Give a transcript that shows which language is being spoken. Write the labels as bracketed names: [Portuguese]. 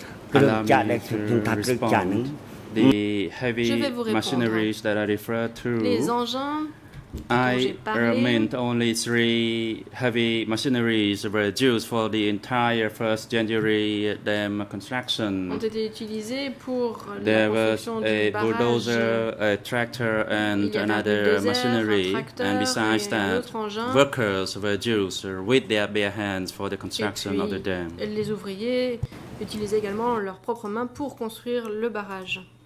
[English] krung cha da chung tha krung cha nung. The heavy machineries that I refer to. [French] Les engins dont j'ai parlé. [English] I meant only three heavy machineries were used for the entire first January dam construction. [French] Ont été utilisés pour la construction du barrage. [English] There was a bulldozer, a tractor, and another machinery. And besides that, workers were used with their bare hands for the construction of the dam. [French] Et les ouvriers utilisaient également leurs propres mains pour construire le barrage.